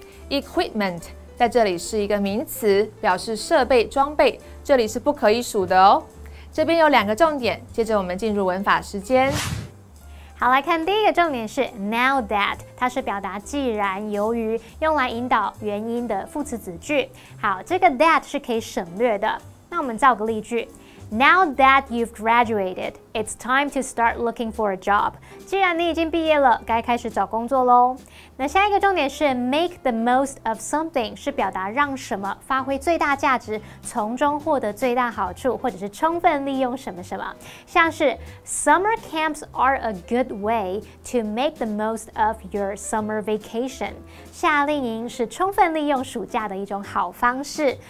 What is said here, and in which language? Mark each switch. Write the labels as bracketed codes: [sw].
[zh] equipment 在这里是一个名词，表示设备、装备，这里是不可以数的哦。这边有两个重点，接着我们进入文法时间。好，来看第一个重点是 now that， 它是表达既然、由于，用来引导原因的副词子句。好，这个 that 是可以省略的。那我们造个例句。 [en] Now that you've graduated, it's time to start looking for a job. [zh] 既然你已经毕业了，该开始找工作咯。那下一个重点是 make the most of something， 是表达让什么发挥最大价值，从中获得最大好处，或者是充分利用什么什么。像是 [en] summer camps are a good way to make the most of your summer vacation. [zh] 夏令营是充分利用暑假的一种好方式。